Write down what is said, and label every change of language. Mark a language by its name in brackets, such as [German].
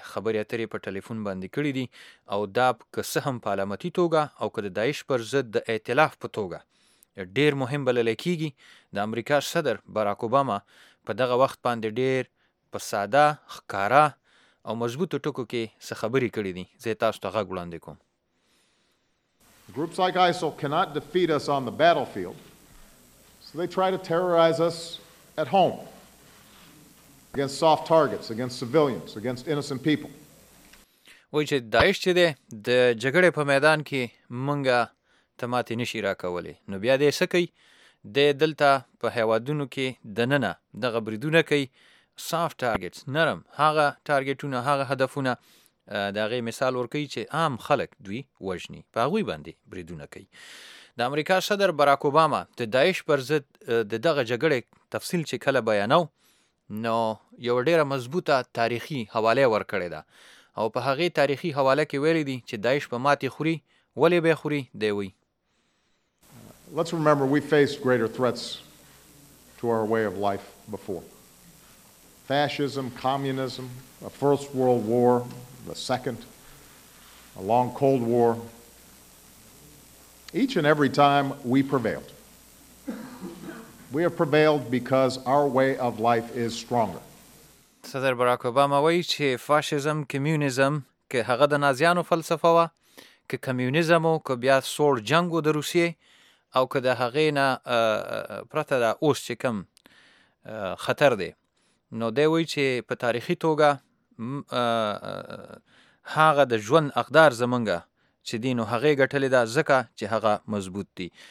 [Pashto] خبري اترې په ټلیفون باندې کړې دي او دا که سهم پالمتی توګه او که د داعش پر ضد د ائتلاف په توګه ډیر مهم بلل کېږي د امریکا صدر باراک اوباما په دغه وخت باندې ډیر په ساده خکارا او مضبوط ټکو کې څه خبري کړې دي زه تاسو ته غږ وړاندې کوم [English] Groups like ISIL cannot defeat us on the battlefield, so they try to terrorize us at home against soft targets, against civilians, against innocent people. [Pashto] وای چې داعش دې د جګړې په میدان کې مونږه تماتې نشي راکولې نو بیا دې سکی د دلته په هوادونو کې د ننه د غبرېدونه کوي سافت ټارګټس نرم هغه ټارګټونه هغه هدفونه دا غي مثال ورکوي چې عام خلک دوی وژني په غوي باندې بریدونه کوي د امریکا صدر باراک اوباما د داعش پر ضد د دغه جګړې تفصیل چې کله بیانو نو یو ډیره مضبوطه تاریخي حواله ورکړی ده او په هغه تاریخي حواله کې ویل دي چې داعش په ماتي خوري ولې به خوري دی وی [English] Let's remember we faced greater threats to our way of life before fascism, communism, a first world war, the second, a long cold war. Each and every time we prevailed. We have prevailed because our way of life is stronger. [Pashto] صدر باراک اوباما وایي چې فاشیزم، کمیونیزم، که هغه د نازیانو فلسفه وا، که کمیونیزم او که بیا سور جنگ و د روسیې او که د هغې نه پرته دا اوس چې کوم خطر دی. نو دی وی چې په تاریخي توګه هغه د ژوند اقدار زمونږه چې دین او هغه غټلې دا ځکه چې هغه مضبوط دی.